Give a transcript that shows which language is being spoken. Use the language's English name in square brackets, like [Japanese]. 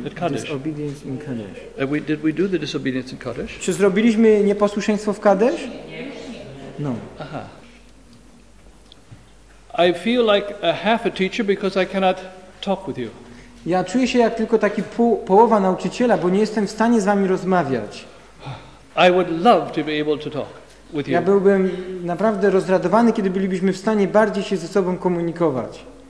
[English] Disobedience in Kadesh. Did we do the disobedience in Kadesh? [Polish] Czy zrobiliśmy nieposłuszeństwo w Kadesh? [English] No. Aha. I feel like a half a teacher because I cannot talk with you. [Polish] Ja czuję się jak tylko taki połowa nauczyciela, bo nie jestem w stanie z wami rozmawiać. [English] I would love to be able to talk with you. [Polish] Ja byłbym naprawdę rozradowany, kiedy bylibyśmy w stanie bardziej się ze sobą komunikować.